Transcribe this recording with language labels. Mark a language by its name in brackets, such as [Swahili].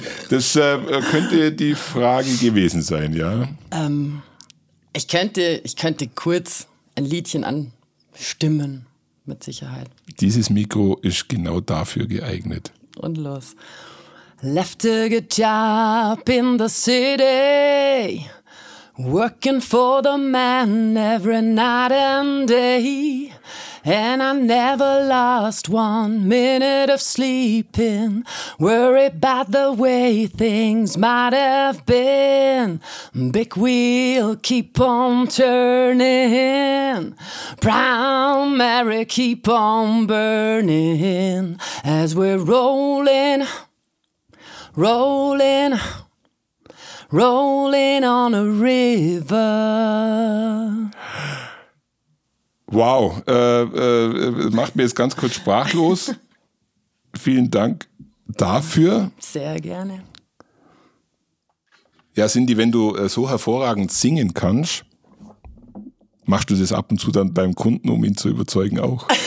[German] Das könnte die Frage gewesen sein, ja. Ich könnte kurz ein Liedchen anstimmen, mit Sicherheit. Dieses Mikro ist genau dafür geeignet. Und los. [English] Left a good job in the city, working for the man every night and day. And I never lost 1 minute of sleeping, worried about the way things might have been. Big wheel keep on turning, primary keep on burning, as we're rolling, rolling, rolling on a river. [German] Wow, macht mir jetzt ganz kurz sprachlos. Vielen Dank dafür. Sehr gerne. Ja, Cindy, wenn du so hervorragend singen kannst, machst du das ab und zu dann beim Kunden, um ihn zu überzeugen auch?